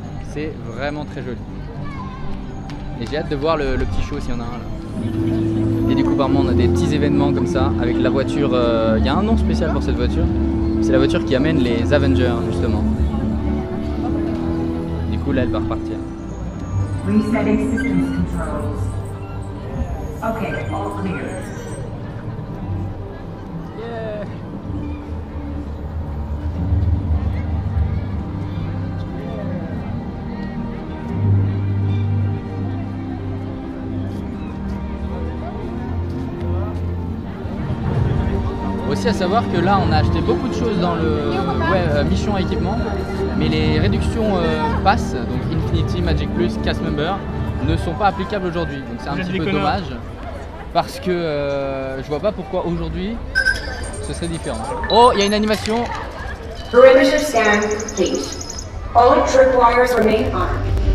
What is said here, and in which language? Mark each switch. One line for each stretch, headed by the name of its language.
French: C'est vraiment très joli. Et j'ai hâte de voir le petit show s'il y en a un là. Et du coup par moment on a des petits événements comme ça avec la voiture. Il y a un nom spécial pour cette voiture. C'est la voiture qui amène les Avengers justement. Du coup là elle va repartir.
English: Resetting systems controls. Okay, all clear.
French: À savoir que là on a acheté beaucoup de choses dans le ouais, mission équipement, mais les réductions pass, donc Infinity, Magic Plus, Cast Member, ne sont pas applicables aujourd'hui, donc c'est un petit peu dommage parce que je vois pas pourquoi aujourd'hui ce serait différent. Oh, il y a une animation.
English: For image scan, please. All tripwires remain on.